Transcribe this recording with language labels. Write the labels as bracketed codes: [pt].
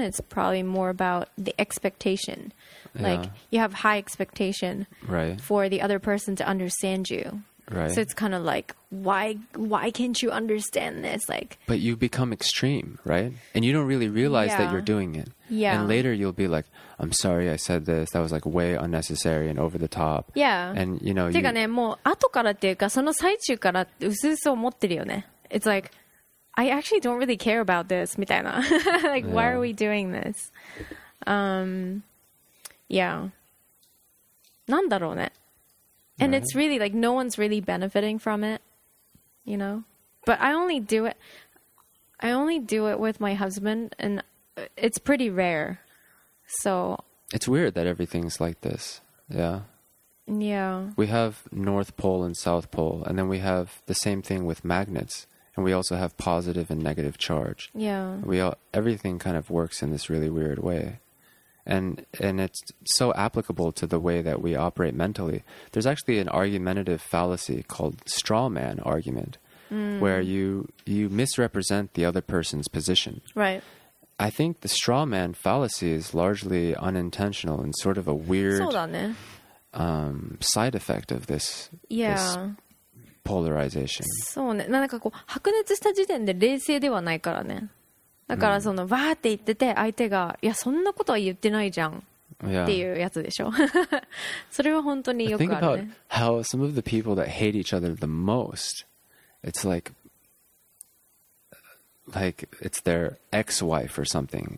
[en] It's probably more about the expectation. Like you have high expectation for the other person to understand you. Right. So it's kind of like, why can't you understand this? Like, but you become extreme, right? And you don't really realize that you're doing it. Yeah. And later you'll be like, I'm sorry I said this. That was like way unnecessary and over the top. Yeah. And you know, [ja] てかね、もう後からっていうか、その最中からうすうす思ってるよね。 [en] It's like, I actually don't really care about this, [ja] みたいな。 [en] Like, why are we doing this? [ja] なんだろうね。 [en] And it's really like no one's really benefiting from it, you know? But I only do it with my husband and it's pretty rare. So it's weird that everything's like this. Yeah. Yeah. We have North Pole and South Pole, and then we have the same thing with magnets, and we also have positive and negative charge. Yeah. Everything kind of works in this really weird way. And it's so applicable to the way that we operate mentally. There's actually an argumentative fallacy called straw man argument, where you misrepresent the other person's position. Right. I think the straw man fallacy is largely unintentional and sort of a weird side effect of this. Yeah. This polarization. [ja] そうね。なんかこう白熱した時点で冷静ではないからね。だからそのバーって言ってて相手がいやそんなことは言ってないじゃんっていうやつでしょ。それは本当によくあるね。 [en] Think about how some of the people that hate each other the most, it's like it's their ex-wife or something.